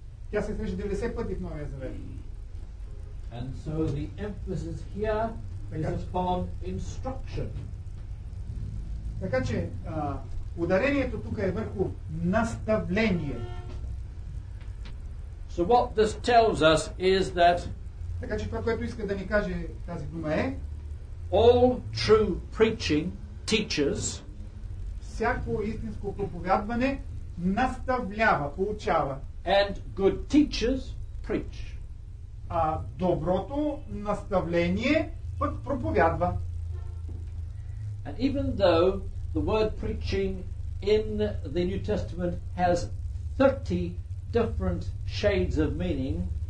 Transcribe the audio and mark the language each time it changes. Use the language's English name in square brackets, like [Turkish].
[Bulgarian] Тя се среща 90 пъти в Новия Завет. [English] And so the emphasis here is upon instruction. [Bulgarian] Така че ударението тук е върху наставление. [English] So what this tells us is that, [Bulgarian] така че това, което иска да ни каже тази дума е, [English] all true preaching teaches, [Bulgarian] всяко истинско проповядване наставлява, поучава. [English] And good teachers preach. [Bulgarian] А доброто наставление пък проповядва. [English] And even though the word preaching in the New Testament has 30 different shades of meaning,